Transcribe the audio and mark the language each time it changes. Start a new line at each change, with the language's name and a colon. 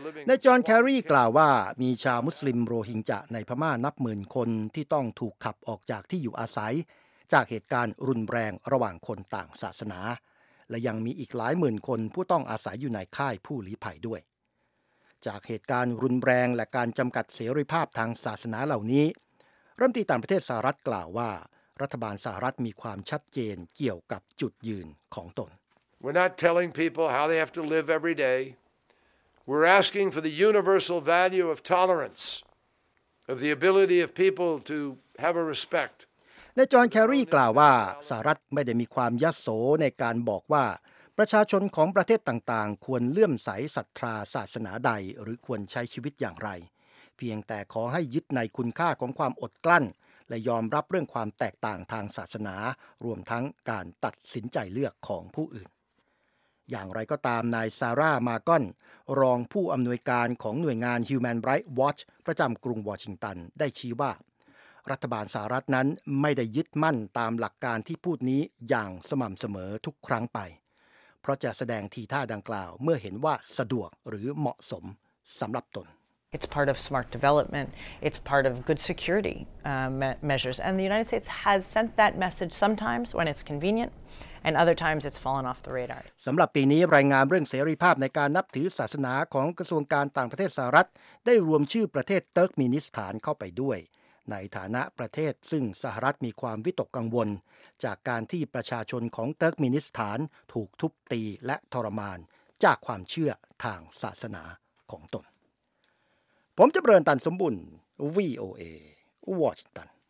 Thai: นายจอห์นแครีกล่าวว่ามีชาวมุสลิมโรฮิงญาในพม่านับหมื่นคนที่ต้องถูกขับออกจากที่อยู่อาศัยจากเหตุการณ์รุนแรงระหว่างคนต่างศาสนาและยังมีอีกหลายหมื่นคนผู้ต้องอาศัยอยู่ในค่ายผู้ลี้ภัยด้วยจากเหตุการณ์รุนแรงและการจำกัดเสรีภาพทางศาสนาเหล่านี้รัฐมนตรีต่างประเทศสหรัฐกล่าวว่ารัฐบาลสหรัฐมีความชัดเจนเกี่ยวกับจุดยืนของตน
English: We're not telling people how they have to live every day. We're asking for the universal value of tolerance, of the ability of people to have a respect.
Thai: นายจอห์นแครีกล่าวว่าสหรัฐไม่ได้มีความยโสในการบอกว่าประชาชนของประเทศต่างๆควรเลื่อมใสศรัทธาศาสนาใดหรือควรใช้ชีวิตอย่างไรเพียงแต่ขอให้ยึดในคุณค่าของความอดกลั้นและยอมรับเรื่องความแตกต่างทางศาสนารวมทั้งการตัดสินใจเลือกของผู้อื่น อย่างไรก็ตามนายซาร่ามาก้อนรองผู้อำนวยการของหน่วยงาน Human Rights Watch ประจำกรุงวอชิงตันได้ชี้ว่ารัฐบาลสหรัฐนั้นไม่ได้ยึดมั่นตามหลักการที่พูดนี้อย่างสม่ำเสมอทุกครั้งไปเพราะจะแสดงทีท่าดังกล่าวเมื่อเห็นว่าสะดวกหรือเหมาะสมสำหรับตน
English: It's part of smart development. It's part of good security measures. And the United States has sent that message sometimes when it's convenient, and other times it's fallen off the radar.
Thai: สำหรับปีนี้รายงานเรื่องเสรีภาพในการนับถือศาสนาของกระทรวงการต่างประเทศสหรัฐได้รวมชื่อประเทศเติร์กมินิสถานเข้าไปด้วยในฐานะประเทศซึ่งสหรัฐมีความวิตกกังวลจากการที่ประชาชนของเติร์กมินิสถานถูกทุบตีและทรมานจากความเชื่อทางศาสนาของตนผมจะเปริญตันสมบุญ VOA Washington